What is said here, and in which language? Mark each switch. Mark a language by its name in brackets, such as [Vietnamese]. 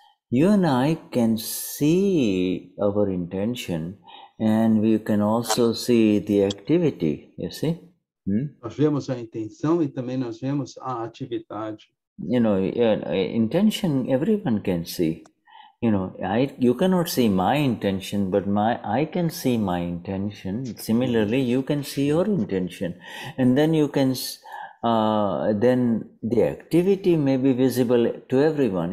[English] You and I can see our intention, and we can also see the activity, you see? [Portuguese] Nós vemos a intenção e também nós vemos a atividade. [English] You know, intention everyone can see. You know, you cannot see my intention, but I can see my intention. Similarly, you can see your intention, and then you can then the activity may be visible to everyone.